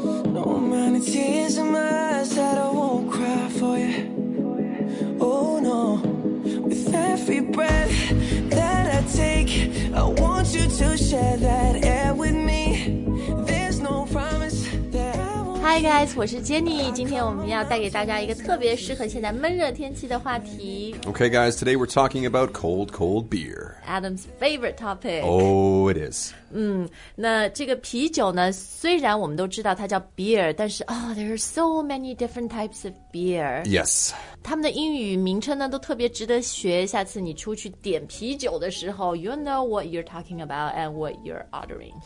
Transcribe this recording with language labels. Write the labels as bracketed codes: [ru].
[en] No amount of tears in my eyes that I won't cry for you. Oh no, with every breath that I take, I want you to share that air with me. There's no promise that I won't. Hi guys, [zh] 我是 [en] Jenny. [zh] 今天我们要带给大家一个特别适合现在闷热天气的话题。 [en] Okay guys, today we're talking about cold beer. Adam's favorite topic. Oh, it is. [zh] 那这个啤酒呢，虽然我们都知道它叫 beer, 但是 [en] there are so many different types of beer. Yes. [zh] 他们的英语名称呢都特别值得学，下次你出去点啤酒的时候 [en] you know what you're talking about and what you're ordering.